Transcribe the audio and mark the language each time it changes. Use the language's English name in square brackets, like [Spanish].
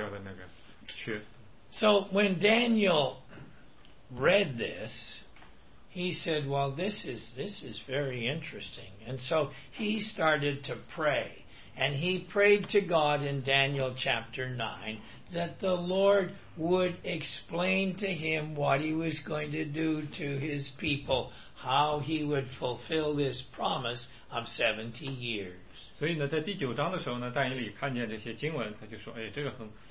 [Chinese] 所以耶利米就说呢，由于你们490年啊，也没有守这个安息年，这个地都在耕种，所以呢，你们要被掳70年，这70年里呢，地就是被迫不耕种了，就安息了70年，就补上前面落掉的那个缺。So [English] when Daniel read this, he said, well, this is very interesting. And so he started to pray. And he prayed to God in Daniel chapter 9 that the Lord would explain to him what he was going to do to his people, how he would fulfill this promise of 70 years. [Chinese] 所以呢，在第九章的时候呢，但以理看见这些经文，他就说，哎，这个很。